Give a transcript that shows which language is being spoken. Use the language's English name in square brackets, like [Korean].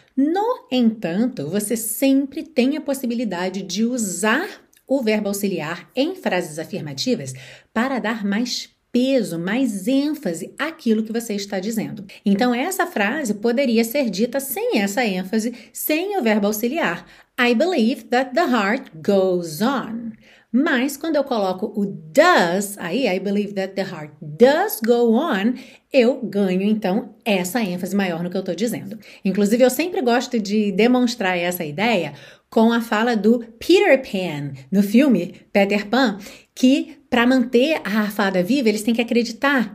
[Portuguese] No entanto, você sempre tem a possibilidade de usar o verbo auxiliar em frases afirmativas para dar mais peso, mais ênfase àquilo que você está dizendo. Então, essa frase poderia ser dita sem essa ênfase, sem o verbo auxiliar. [English] I believe that the heart goes on. [Portuguese] Mas quando eu coloco o does aí, [English] I believe that the heart does go on, [Portuguese] eu ganho então essa ênfase maior no que eu estou dizendo. Inclusive, eu sempre gosto de demonstrar essa ideia com a fala do Peter Pan no filme Peter Pan, que para manter a fada viva eles têm que acreditar.